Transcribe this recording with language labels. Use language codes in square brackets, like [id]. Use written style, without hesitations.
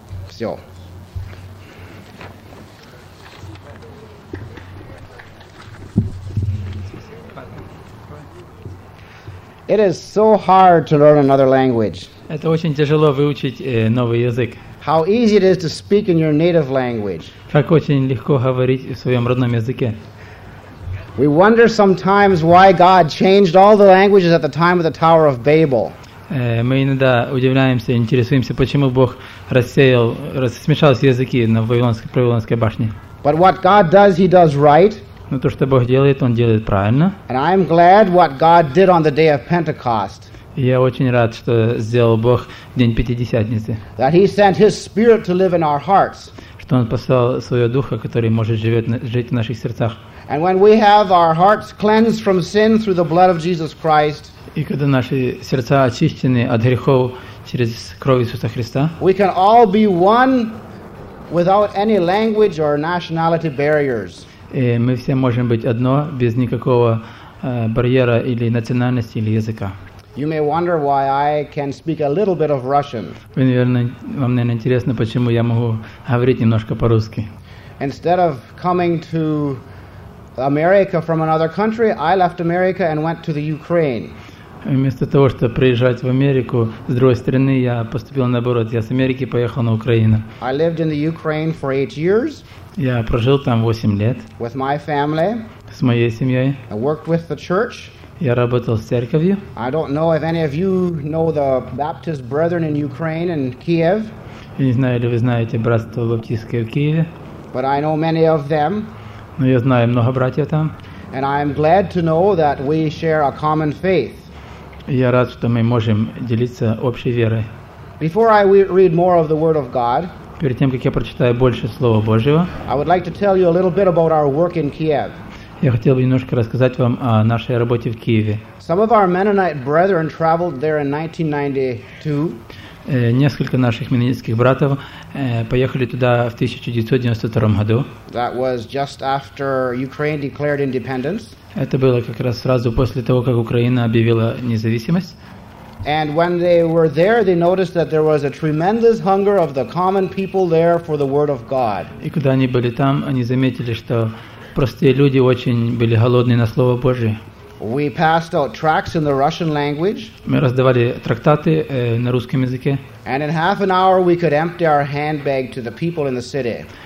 [ru] Все. [en] It is so hard to learn another language. [ru] Это очень тяжело выучить новый язык. [en] How easy it is to speak in your native language. [ru] Как очень легко говорить в своем родном языке. [en] We wonder sometimes why God changed all the languages at the time of the Tower of Babel. [ru] Мы иногда удивляемся, интересуемся, почему Бог рассеял, смешал языки на Вавилонской башне. [en] But what God does, He does right. [ru] Но то, что Бог делает, Он делает правильно. [en] And I'm glad what God did on the day of Pentecost. [ru] Я очень рад, что сделал Бог день Пятидесятницы. [en] That He sent His Spirit to live in our hearts. [ru] Что Он послал Своего Духа, который может жить в наших сердцах. [en] And when we have our hearts cleansed from sin through the blood of Jesus Christ. [ru] И когда наши сердца очищены от грехов через кровь Иисуса Христа. [en] We can all be one without any language or nationality barriers. [ru] И мы все можем быть одно без никакого барьера или национальности или языка. [en] You may wonder why I can speak a little bit of Russian. [ru] Вы, наверное, вам, наверное, интересно, почему я могу говорить немножко по-русски. [en] Instead of coming to America from another country, I left America and went to the Ukraine. [ru] Вместо того, чтобы приезжать в Америку с другой стороны, я поступил наоборот. Я с Америки поехал на Украину. [en] I lived in the Ukraine for 8 years. [ru] Я прожил там 8 лет. [en] With my family. [ru] С моей семьей. [en] I worked with the church. [ru] Я работал с церковью. [en] I don't know if any of you know the Baptist brethren in Ukraine and Kiev. [ru] Я не знаю, ли вы знаете братство баптистское в Киеве. [en] But I know many of them. [ru] Но я знаю много братьев там. [en] And I'm glad to know that we share a common faith. [ru] Я рад, что мы можем делиться общей верой. [en] Before I read more of the Word of God, [ru] перед тем, как я прочитаю больше Слова Божьего, [en] I would like to tell you a little bit about our work in Kiev. [ru] Я хотел бы немножко рассказать вам о нашей работе в Киеве. [en] Some of our Mennonite brethren traveled there in 1992. [ru] Несколько наших мененитских братьев поехали туда в 1992 году. [en] That was just after Ukraine declared independence. [ru] Это было как раз сразу после того, как Украина объявила независимость. [en] And when they were there, they noticed that there was a tremendous hunger of the common people there for the Word of God. [ru] И когда они были там, они заметили, что простые люди очень были голодны на Слово Божие. [en] We passed out tracts in the Russian language. [ru] Мы раздавали трактаты на русском языке. [en] And in half an hour, we could empty our handbag to the people in the city.